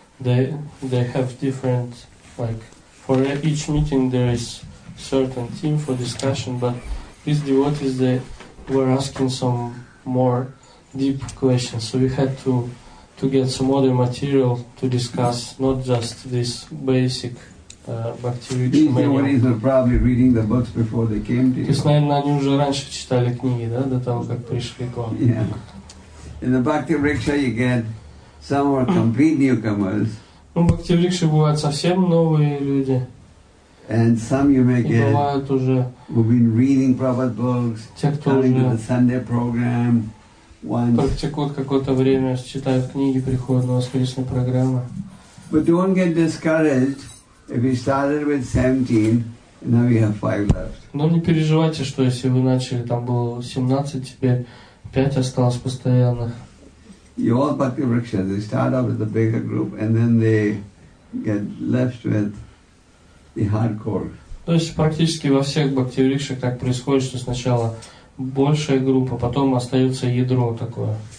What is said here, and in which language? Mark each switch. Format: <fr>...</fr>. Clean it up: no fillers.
<en>They have different, like, for each meeting there is certain theme for discussion, but these devotees, they were asking some more deep questions, so we had to get some other material to discuss, not just this basic Bhakti Riksha manual. These devotees are probably reading the books before they came to you.</en> <ru>То есть, наверное, они уже раньше читали книги, да, до того, как пришли к вам.</ru> <en>Yeah. In the Bhakti Riksha, you get some are complete newcomers.</en> <ru>Ну, в Bhakti Riksha бывают совсем новые люди.</ru> <en>And some you may get who've been reading Prabhupada books, coming to the Sunday program.</en> <ru>Практикуют какое-то время, читают книги, приходят на воскресные программы.</ru> <en>But don't get discouraged if you started with 17 and now you have 5 left.</en> <ru>Но не переживайте, что если вы начали, там было 17, теперь 5 осталось постоянных.</ru> <en>You all Bhakti Riksha, they start out with the bigger group and then they get left with the hardcore.</en> <ru>То есть практически во всех Bhakti Riksha так происходит, что сначала большая группа, потом остается ядро такое,</ru>